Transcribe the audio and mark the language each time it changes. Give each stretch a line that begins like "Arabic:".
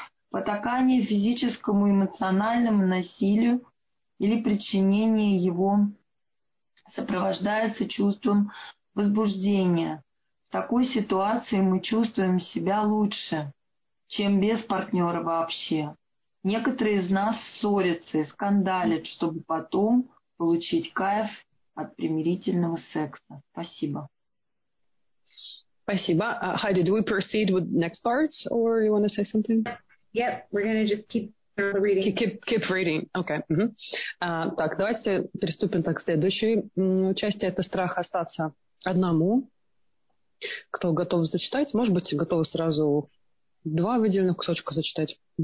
Russian: Потакание физическому и эмоциональному насилию или причинение его сопровождается чувством возбуждения. В такой ситуации мы чувствуем себя лучше, чем без партнера вообще. Некоторые из нас ссорятся и скандалят, чтобы потом получить кайф от примирительного секса. Спасибо. Спасибо.
English: Heidi, do we proceed with next part, or you want to say something? Yep, we're going to just keep reading. Keep reading, okay.
Russian: Так, давайте переступим так к следующей части. Это страх остаться одному. Кто готов зачитать? Может быть, готовы сразу два выделенных кусочка зачитать?